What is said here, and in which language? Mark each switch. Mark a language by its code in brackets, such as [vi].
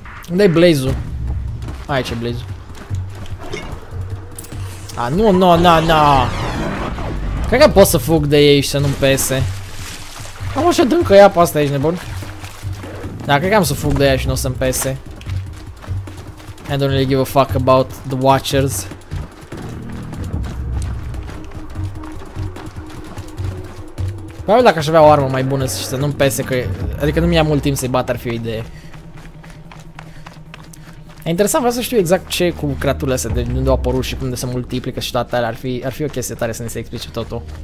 [ro] Unde-i Blaze-ul? Aici e Blaze-ul. A, nu, nu, nu, nu! Cred că pot să fug de ei și să nu-mi pese. Am așa dâncă ea pe asta aici, nebun. Da, cred că am să fug de ea și nu o să-mi pese. [en] I don't really give a fuck about the Watchers. [ro] Probabil dacă aș avea o armă mai bună și să nu-mi pese, că, adică nu-mi ia mult timp să-i bat, ar fi o idee. E interesant, vreau să știu exact ce e cu creaturile astea, de unde au apărut și cum de se multiplică și toate alea, ar fi o chestie tare să ne se explice totul.